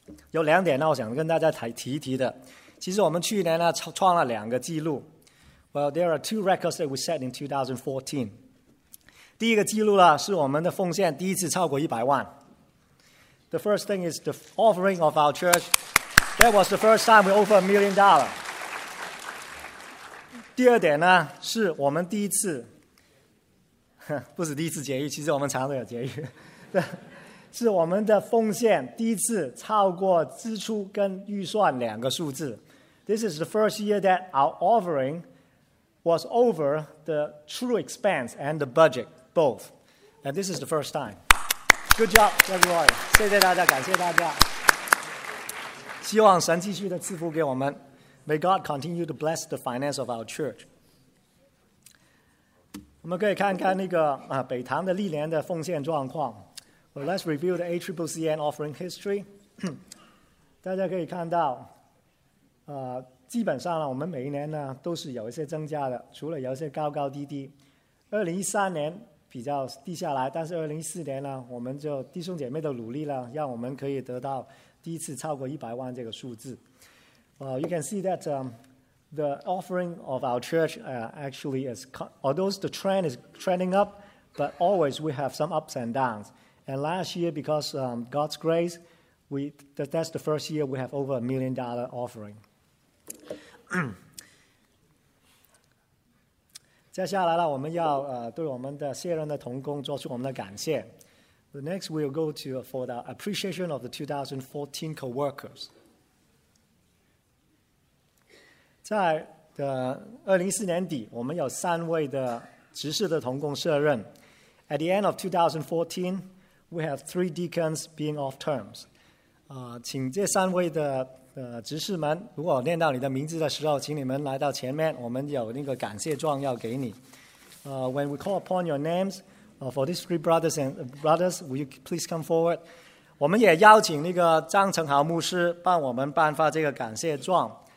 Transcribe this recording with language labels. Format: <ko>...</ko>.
<zh>有两点呢，我想跟大家提一提的。其实我们去年呢，创了两个记录。</zh> <en>Well, there are two records that we set in 2014.</en> <zh>第一个记录了是我们的奉献第一次超过100万。</zh> <en>The first thing is the offering of our church. That was the first time we over $1 million.</en> <zh>第二点呢是我们第一次，不是第一次节育，其实我们常常有节育。是我们的奉献第一次超过支出跟预算两个数字。</zh> <en>This is the first year that our offering was over the true expense and the budget both. And this is the first time. Good job, everyone.</en> <zh>谢谢大家，感谢大家。希望神继续的赐福给我们。</zh> <en>May God continue to bless the finance of our church.</en> <zh>我们可以看看那个北堂的历年的奉献状况。</zh> <en>Well, let's review the ACCCN offering history.</en> <zh>大家可以看到，基本上呢，我们每一年呢都是有一些增加的，除了有一些高高低低。 2013年比较低下来，但是2014年呢，我们就弟兄姐妹的努力呢，让我们可以得到第一次超过100万这个数字。</zh> <en>You can see that the offering of our church actually is, although the trend is trending up, but always we have some ups and downs. And last year, because God's grace, that's the first year we have over $1 million offering.</en> <zh>接下来呢，我们要对我们的卸任的同工做出我们的感谢。</zh> <en>The next, we'll go to for the appreciation of the 2014 co-workers.</en> <zh>在2014年底，我们有三位的执事的同工卸任。</zh> <en>At the end of 2014,We have three deacons being off terms.</en> <zh>请这三位的执事们，如果念到你的名字的时候，请你们来到前面，我们有那个感谢状要给你。</zh> <en>When we call upon your names, for these three brothers and brothers, will you please come forward?</en> <zh>我们也邀请那个张成豪牧师帮我们颁发这个感谢状。</zh>